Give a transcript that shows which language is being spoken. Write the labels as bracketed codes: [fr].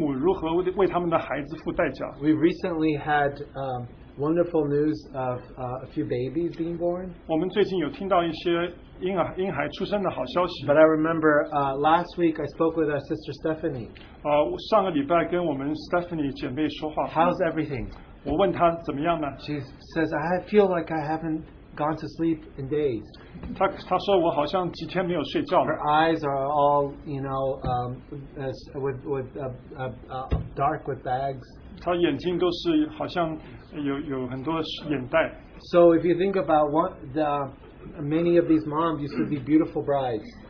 [zh] 这是一个例子，看到父母如何为他们的孩子付代价。 [en] We recently had wonderful news of a few babies being born. [zh] 我们最近有听到一些婴孩出生的好消息。 [en] But I remember last week I spoke with our sister Stephanie. [zh] 上个礼拜跟我们 Stephanie 姐妹说话。 [en] How's everything? [zh] 我问她怎么样呢？ [en] She says I feel like I haven't gone to sleep in days. [zh] 她说我好像几天没有睡觉了。 [en] Her eyes are all, you know, with dark with bags. [zh] 她眼睛都是好像有很多眼袋。 [en] So if you think about what the many of these moms used to be beautiful brides.